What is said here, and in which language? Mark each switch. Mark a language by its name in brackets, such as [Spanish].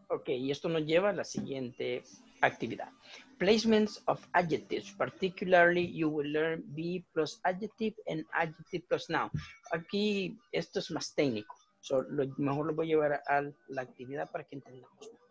[Spanish] Okay, y esto nos lleva a la siguiente actividad. [English] Placements of adjectives, particularly you will learn be plus adjective and adjective plus noun. [Spanish] Aquí esto es más técnico. So, lo mejor lo voy a llevar a la actividad para que entendamos.